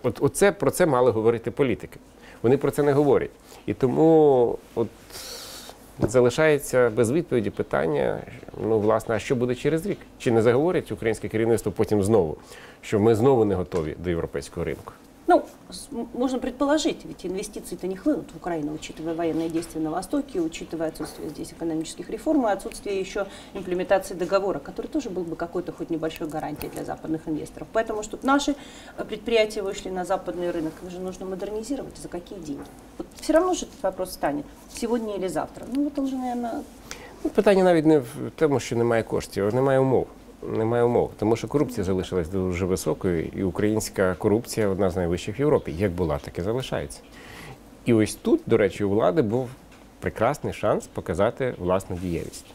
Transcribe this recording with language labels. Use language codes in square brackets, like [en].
[uk] От оце, про це мали говорити політики. Вони про це не говорять. І тому от залишається без відповіді питання, ну, власне, а що буде через рік? Чи не заговорять українське керівництво потім знову, що ми знову не готові до європейського ринку? [ru] Ну, можно предположить, ведь инвестиции-то не хлынут в Украину, учитывая военные действия на Востоке, учитывая отсутствие здесь экономических реформ и отсутствие еще имплементации договора, который тоже был бы какой-то хоть небольшой гарантией для западных инвесторов. Поэтому, чтобы наши предприятия вышли на западный рынок, их же нужно модернизировать. За какие деньги? Вот все равно же этот вопрос станет сегодня или завтра. Ну, это уже, наверное... [uk] Питание навіть не в тому, що немає коштів, немає умов. Немає умов, тому що корупція залишилась дуже високою, і українська корупція одна з найвищих в Європі. Як була, так і залишається. І ось тут, до речі, у влади був прекрасний шанс показати власну дієвість.